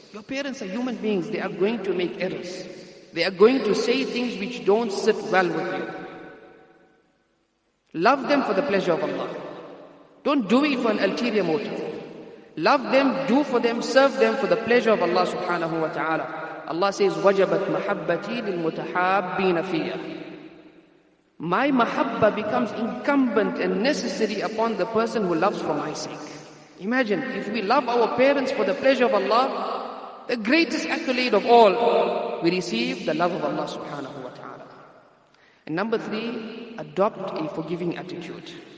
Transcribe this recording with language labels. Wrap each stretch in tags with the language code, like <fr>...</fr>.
<en>Your parents are human beings. They are going to make errors. They are going to say things which don't sit well with you. Love them for the pleasure of Allah. Don't do it for an ulterior motive. Love them, do for them, serve them for the pleasure of Allah subhanahu wa ta'ala. Allah says,</en> <ar>وَجَبَتْ مَحَبَّتِي لِلْمُتَحَابِّينَ فِيَّ.</ar> <en>My mahabba becomes incumbent and necessary upon the person who loves for my sake. Imagine, if we love our parents for the pleasure of Allah, the greatest accolade of all, we receive the love of Allah subhanahu wa ta'ala. And number three, adopt a forgiving attitude.</en>